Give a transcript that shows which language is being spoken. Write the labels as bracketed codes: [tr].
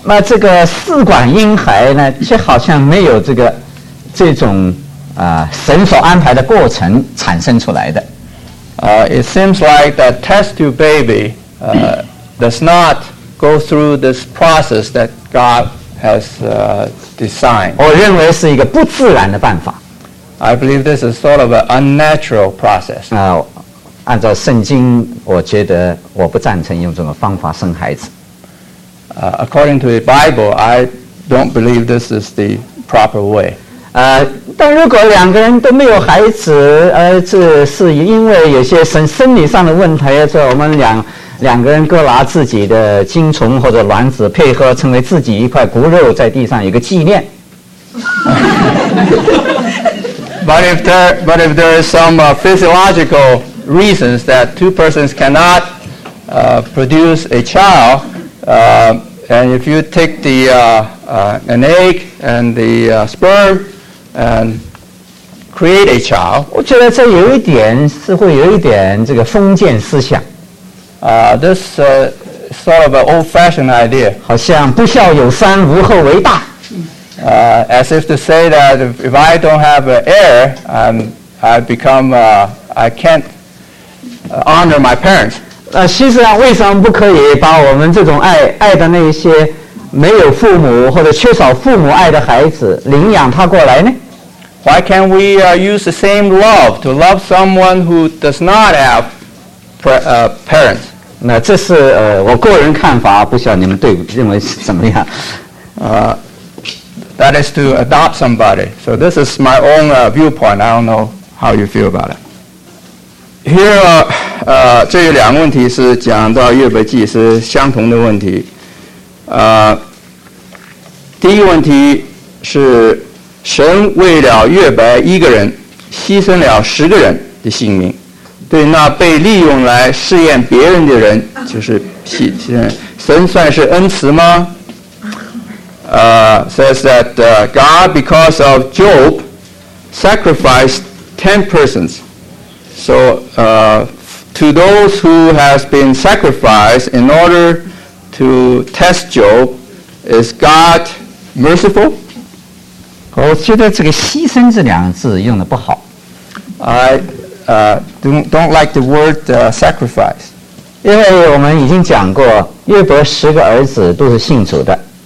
[zh] 那这个试管婴孩呢，却好像没有这种神所安排的过程产生出来的。 [en] It seems like that test tube baby does not go through this process that God has designed. [zh] 我认为是一个不自然的办法。 [en] I believe this is sort of an unnatural process. [zh] 按照圣经，我觉得我不赞成用这种方法生孩子。 [en] According to the Bible, I don't believe this is the proper way. [zh] 但如果两个人都没有孩子，这是因为有些生理上的问题，所以我们两个人各拿自己的精虫或者卵子配合，成为自己一块骨肉，在地上有个纪念。 [en] But if there is some physiological reasons that two persons cannot produce a child, and if you take the an egg and the sperm and create a child, [zh] 我觉得这有一点是会有一点这个封建思想。 [en] This sort of an old-fashioned idea. [zh] 好像不孝有三，无后为大。 [en] As if to say that if I don't have an heir, I can't honor my parents. [zh] 其实为什么不可以把我们这种爱的那些没有父母或者缺少父母爱的孩子领养他过来呢？ [en] Why can't we use the same love to love someone who does not have parents? [zh] 那这是我个人看法，不晓得你们对认为是怎么样。 [en] That is to adopt somebody. So this is my own viewpoint. I don't know how you feel about it. [zh] Here, 这有两个问题是讲到约伯记是相同的问题。第一问题是神为了约伯一个人牺牲了十个人的性命，对那被利用来试验别人的人，就是神算是恩慈吗？ [en] Says that God, because of Job, sacrificed 10 persons. So to those who has been sacrificed in order to test Job, is God merciful? [zh] 我觉得这个牺牲这两个字用得不好。 [en] I don't like the word sacrifice. [zh] 因为我们已经讲过，约伯十个儿子都是信主的。